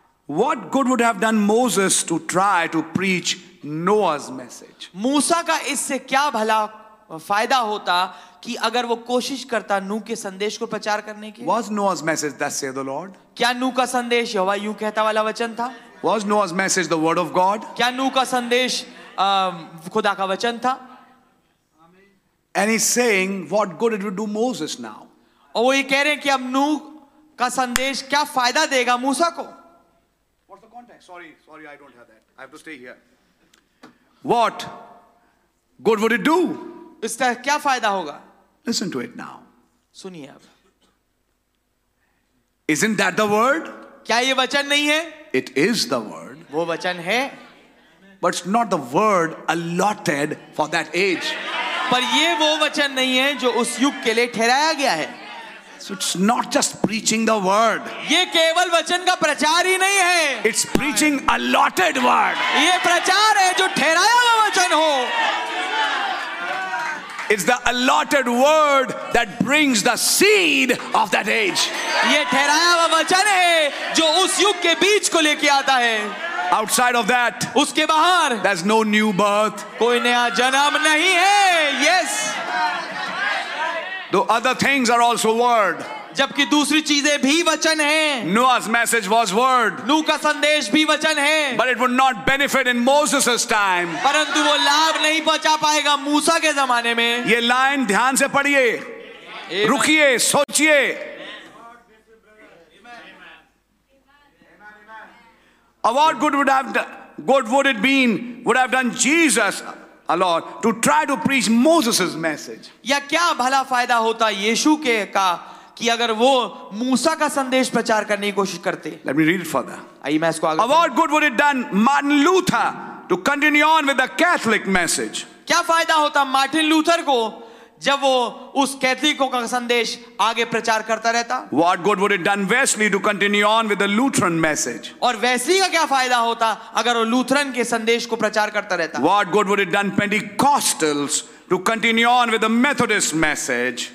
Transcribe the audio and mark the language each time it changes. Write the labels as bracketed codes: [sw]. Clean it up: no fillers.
[en] What good would have done Moses to try to preach Noah's message? [hi] मूसा का इससे क्या भला फायदा होता कि अगर वो कोशिश करता नूह के संदेश को प्रचार करने के? [en] Was Noah's message thus saith the Lord? [hi] क्या नूह का संदेश यहोवा यूं कहता वाला वचन था? [en] Was Noah's message the word of God? [hi] क्या नूह का संदेश खुदा का वचन था? [en] And he's saying, what good it would do Moses now? [hi] और वो ये कह रहे हैं कि अब नूह का संदेश क्या फायदा देगा मूसा को? [en] What's the context? Sorry, I don't have that. I have to stay here. What good would it do? [hi] इसका क्या फायदा होगा? [en] Listen to it now. [hi] सुनिए अब. [en] Isn't that the word? [hi] क्या ये वचन नहीं है? [en] It is the word. [hi] वो वचन है. [en] But it's not the word allotted for that age. [hi] पर ये वो वचन नहीं है जो उस युग के लिए ठहराया गया है. [en] So it's not just preaching the word. [hi] ये केवल वचन का प्रचार ही नहीं है. [en] It's preaching allotted word. [hi] ये प्रचार है जो ठहराया हुआ वचन हो. [en] It's the allotted word that brings the seed of that age. [hi] ये ठहराया हुआ वचन है जो उस युग के बीज को लेके आता है. [en] Outside of that, [hi] उसके बाहर, [en] there's no new birth. [hi] कोई नया जन्म नहीं है. [en] Yes. The other things are also word. [hi] जबकि दूसरी चीजें भी वचन हैं. [en] Noah's message was word. [hi] नूह का संदेश भी वचन है. [en] But it would not benefit in Moses's time. [hi] परंतु वो लाभ नहीं पहुंचा पाएगा मूसा के जमाने में. ये लाइन ध्यान से पढ़िए, रुकिए, सोचिए. [en] What good would it have been Jesus Lord, to try to preach Moses's message? [hi] या क्या भला फायदा होता यीशु के का कि अगर वो मूसा का संदेश प्रचार करने की कोशिश करते? [en] Let me read it further. [hi] आइए मैं इसको आगे. [en] What good would it done Martin Luther to continue on with the Catholic message? [hi] क्या फायदा होता मार्टिन लूथर को जब वो उस कैथलिकों का संदेश आगे प्रचार करता रहता? [en] What good would it done Wesley to continue on with the Lutheran message? [hi] और वेस्ली का क्या फायदा होता अगर वो लूथरन के संदेश को प्रचार करता रहता? [en] What good would it done Pentecostals to continue on with the Methodist message?